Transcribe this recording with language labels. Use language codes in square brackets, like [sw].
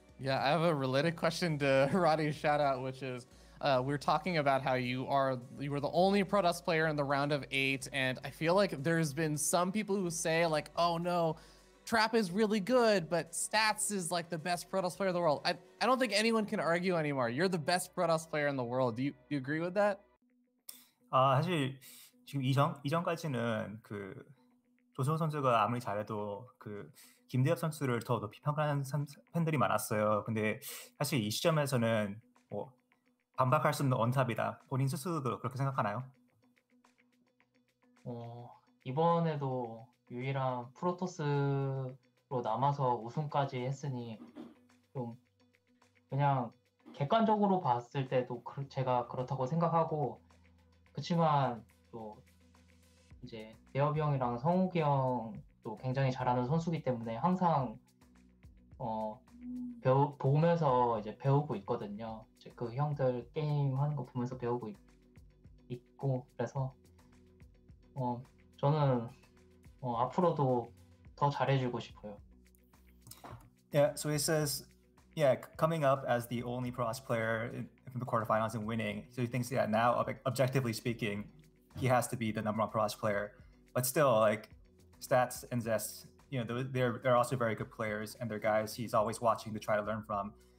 [en] Yeah, I have a related question to Roddy's shout out, which is we're talking about how you were the only Protoss player in the round of 8, and I feel like there's been some people who say like, "Oh no, Trap is really good, but Stats is like the best Protoss player in the world." I don't think anyone can argue anymore. You're the best Protoss player in the world. Do you agree with that? [ko] 사실 지금 이전까지는 그 조성호 선수가 아무리 잘해도 그 김대엽 선수를 더 높이 평가하는 팬들이 많았어요. 근데 사실 이 시점에서는 뭐 반박할 수 없는 언탑이다. 본인 스스로도 그렇게 생각하나요? 이번에도 유일한 프로토스로 남아서 우승까지 했으니 좀 그냥 객관적으로 봤을 때도 제가 그렇다고 생각하고 그렇지만 또 이제 대엽이 형이랑 성욱이 형도 굉장히 잘하는 선수이기 때문에 항상 보면서 이제 배우고 있거든요. 이제 그 형들 게임 하는 거 보면서 배우고 있고 그래서 저는 앞으로도 더 잘해주고 싶어요. [en] Yeah, so he says, yeah, coming up as the only Protoss player from the quarterfinals and winning, so he thinks, yeah, now objectively speaking, he has to be the number one Protoss player. But still, like, Stats and Zest, you know, they're also very good players, and they're guys he's always watching to try to learn from.